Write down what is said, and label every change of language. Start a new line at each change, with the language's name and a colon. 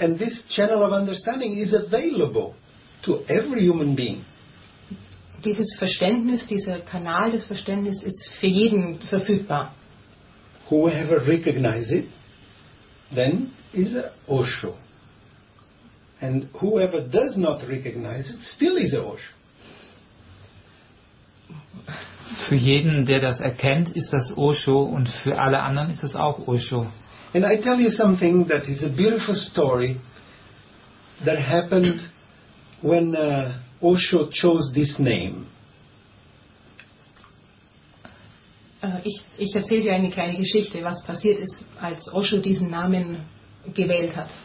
English: And this channel of understanding is available to every human being.
German: Dieses Verständnis, dieser Kanal des Verständnisses ist für jeden verfügbar.
English: Whoever recognizes it, then is a Osho. And whoever does not recognize it, still is a Osho.
German: Für jeden, der das erkennt, ist das Osho und für alle anderen ist es auch Osho.
English: And I tell you something that is a beautiful story that happened when Osho chose this name.
German: Ich erzähle dir eine kleine Geschichte, was passiert ist, als Osho diesen Namen gewählt hat.